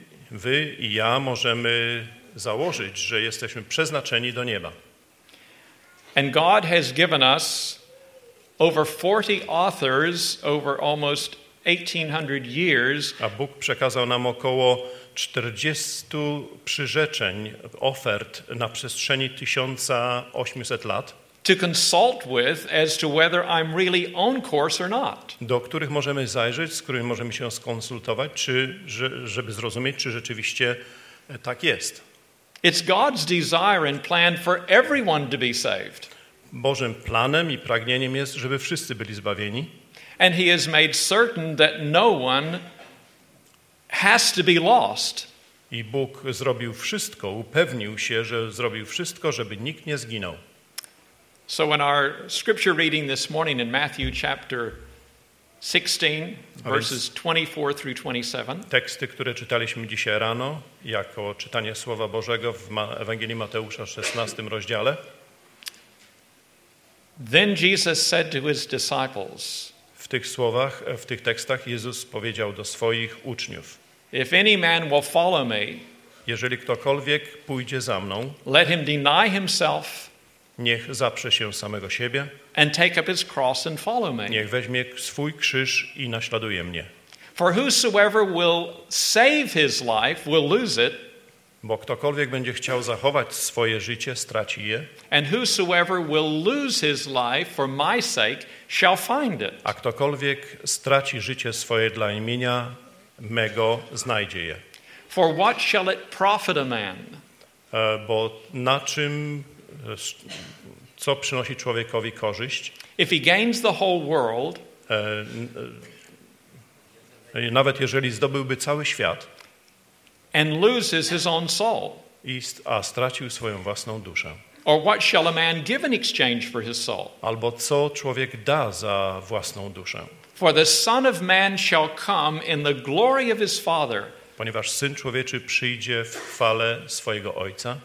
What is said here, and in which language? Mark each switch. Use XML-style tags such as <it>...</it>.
<pl>Wy i ja możemy założyć, że jesteśmy przeznaczeni do nieba.</pl> <en>And God has given us over 40 authors over almost 1800 years.</en> <pl>A Bóg przekazał nam około 40 przyrzeczeń, ofert na przestrzeni 1800 lat.</pl> <en>To consult with as to whether I'm really on course or not.</en> <pl>Do których możemy zajrzeć, z którymi możemy się skonsultować, czy żeby zrozumieć, czy rzeczywiście tak jest.</pl> <en>It's God's desire and plan for everyone to be saved.</en> <pl>Bożym planem i pragnieniem jest, żeby wszyscy byli zbawieni.</pl> <en>And he has made certain that no one has to be lost.</en> <pl>I Bóg zrobił wszystko, upewnił się, że zrobił wszystko, żeby nikt nie zginął.</pl> <en>So in our scripture reading this morning in Matthew chapter 16, verses 24 through 27.</en> <pl>Teksty, które czytaliśmy dzisiaj rano, jako czytanie Słowa Bożego w Ewangelii Mateusza 16 rozdziale.</pl> <en>Then Jesus said to his disciples,</en> <pl>W tych słowach, w tych tekstach Jezus powiedział do swoich uczniów:</pl> <en>If any man will follow me,</en> <pl>jeżeli ktokolwiek pójdzie za mną,</pl> <en>let him deny himself,</en> <pl>niech zaprze się samego siebie,</pl> <en>and take up his cross and follow me.</en> <pl>Niech weźmie swój krzyż i naśladuje mnie.</pl> <en>For whosoever will save his life will lose it.</en> <pl>Bo ktokolwiek będzie chciał zachować swoje życie, straci je.</pl> <en>And whosoever will lose his life for my sake shall find it.</en> <pl>A ktokolwiek straci życie swoje dla imienia mego, znajdzie je.</pl> <en>For what shall it profit a man?</en> <pl>Bo na czym, co przynosi człowiekowi korzyść?</pl> <en>If he gains the whole world,</en> <pl>nawet jeżeli zdobyłby cały świat,</pl> <en>and loses his own soul.</en> <pl>A stracił swoją własną duszę.</pl> <en>Or what shall a man give in exchange for his soul?</en> <pl>Albo co człowiek da za własną duszę?</pl> <en>For the Son of Man shall come in the glory of his Father.</en> <pl>Ponieważ Syn Człowieczy przyjdzie w chwale swojego Ojca.</pl>